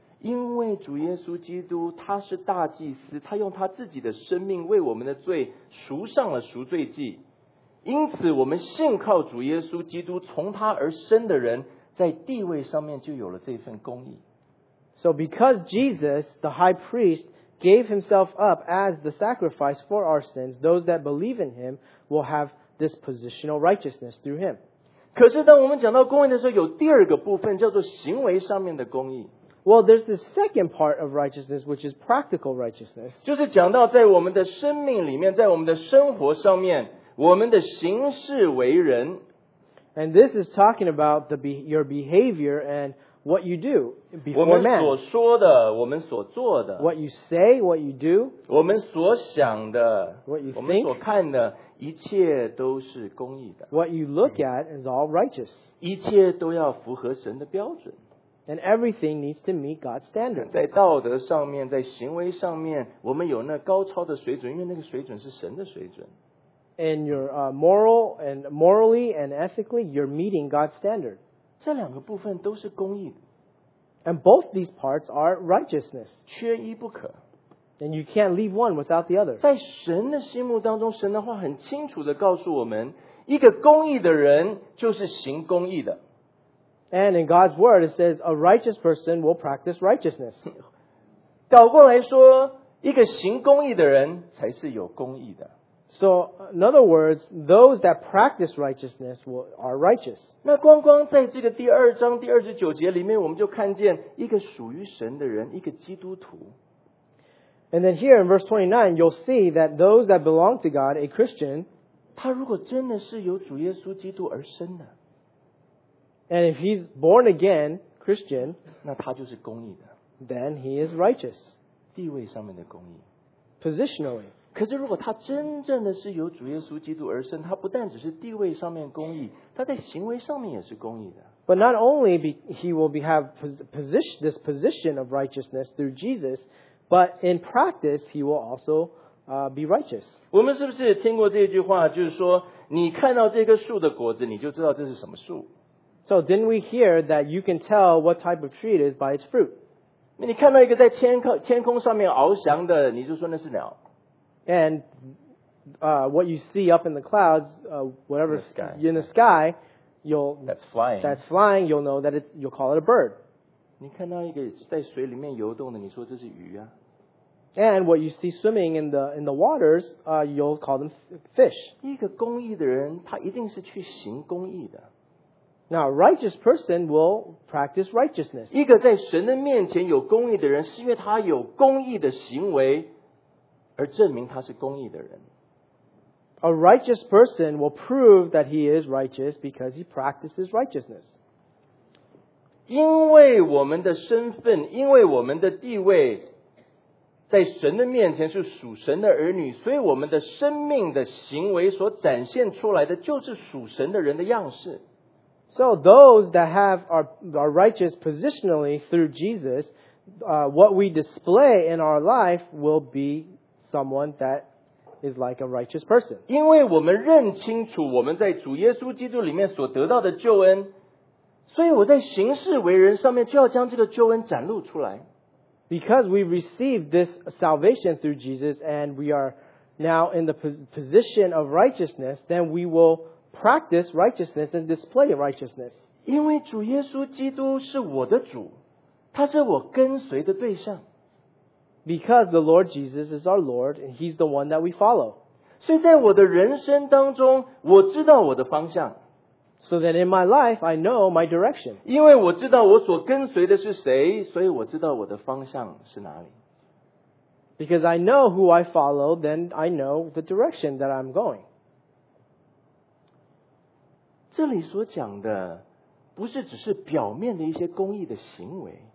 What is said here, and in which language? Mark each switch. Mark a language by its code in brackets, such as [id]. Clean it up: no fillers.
[zh] 因为主耶稣基督他是大祭司，他用他自己的生命为我们的罪赎上了赎罪祭。因此我们信靠主耶稣基督从他而生的人，在地位上面就有了这份公义。 [en] So because Jesus, the high priest, gave himself up as the sacrifice for our sins, those that believe in him will have this positional righteousness through him. [zh] 可是当我们讲到公义的时候有第二个部分叫做行为上面的公义。 [en] Well, there's the second part of righteousness, which is practical righteousness. [zh] 就是讲到在我们的生命里面，在我们的生活上面，我们的行事为人。 [en] And this is talking about your behavior and what you do before man. [zh] 我们所说的，我们所做的。 [en] What you say, what you do. [zh] 我们所想的。 [en] What you think. [zh] 我们所看的。一切都是公义的。 [en] What you look at is all righteous. [zh] 一切都要符合神的标准。 [en] And everything needs to meet God's standard. [zh] 在道德上面，在行为上面，我们有那高超的水准，因为那个水准是神的水准。 [en] In your moral and morally and ethically, you're meeting God's standard. [zh] 这两个部分都是公义的。 [en] And both these parts are righteousness. [zh] 缺一不可。 [en] And you can't leave one without the other. [zh] 在神的心目当中，神的话很清楚地告诉我们，一个公义的人就是行公义的。 [en] And in God's word, it says, a righteous person will practice righteousness. [zh] 倒过来说，一个行公义的人才是有公义的。 [en] So, in other words, those that practice righteousness are righteous. [zh] 那光光在这个第二章第二十九节里面，我们就看见一个属于神的人，一个基督徒。 [en] And then here in verse 29, you'll see that those that belong to God, a Christian, [zh] 他如果真的是由主耶稣基督而生的， [en] and if he's born again, Christian, [zh] 那他就是公义的， [en] then he is righteous. [zh] 地位上面的公义， [en] positionally. [zh] 可是如果他真正的是由主耶稣基督而生，他不但只是地位上面公义，他在行为上面也是公义的。 [en] But not only he will have this position of righteousness through Jesus,But in practice, he will also be righteous. [zh] 我们是不是听过这句话？就是说，你看到这棵树的果子，你就知道这是什么树。 [en] So didn't we hear that you can tell what type of tree it is by its fruit? [zh] 你看到一个在天空上面翱翔的，你就说那是鸟。 [en] And what you see up in the clouds, whatever in the sky, you'll that's flying. You'll know that you'll call it a bird. [zh] 你看到一个在水里面游动的，你说这是鱼啊。 [en] And what you see swimming in the waters, you'll call them fish. [zh] 一个公义的人，他一定是去行公义的。 [en] Now, a righteous person will practice righteousness. [zh] 一个在神的面前有公义的人，是因为他有公义的行为，而证明他是公义的人。 [en] A righteous person will prove that he is righteous because he practices righteousness. [zh] 因为我们的身份，因为我们的地位，在神的面前是属神的儿女，所以我们的生命的行为所展现出来的就是属神的人的样式。 [en] So those that have are righteous positionally through Jesus, what we display in our life will be someone that is like a righteous person. [zh] 因为我们认清楚我们在主耶稣基督里面所得到的救恩。所以我在行事为人上面就要将这个救恩展露出来。 [en] Because we received this salvation through Jesus and we are now in the position of righteousness, then we will practice righteousness and display righteousness. [zh] 因为主耶稣基督是我的主，他是我跟随的对象。 [en] Because the Lord Jesus is our Lord and he's the one that we follow. [zh] 所以在我的人生当中，我知道我的方向。 [en] So that in my life, I know my direction. [zh] 因为我知道我所跟随的是谁，所以我知道我的方向是哪里。 [en] Because I know who I follow, then I know the direction that I'm going. [zh] 这里所讲的不是只是表面的一些公义的行为。